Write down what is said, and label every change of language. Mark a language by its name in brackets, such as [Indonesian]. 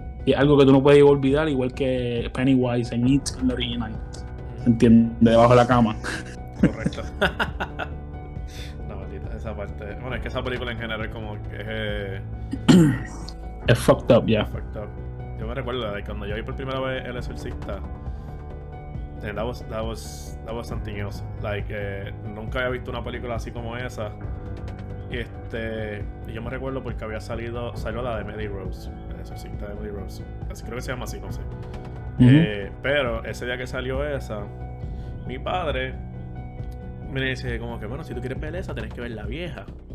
[Spanish] Y es algo que tú no puedes olvidar, igual que Pennywise en It, en la original. ¿Entiendes? Debajo de la cama. Correcto. La maldita, esa parte. Bueno, es que esa película en general es como que es. Es [English] fucked up, ya. Yeah. Fucked up. [Spanish] Yo me recuerdo de cuando yo vi por primera vez El Exorcista. [English] That was something else. [Spanish] Like, nunca había visto una película así como esa. Este, y yo me recuerdo porque había salió la de Mary Rose, El Exorcista de Mary Rose. Así creo que se llama así, no sé. Uh-huh. Pero ese día que salió esa, mi padre me dice como que, bueno, si tú quieres ver esa, tenés que ver la vieja.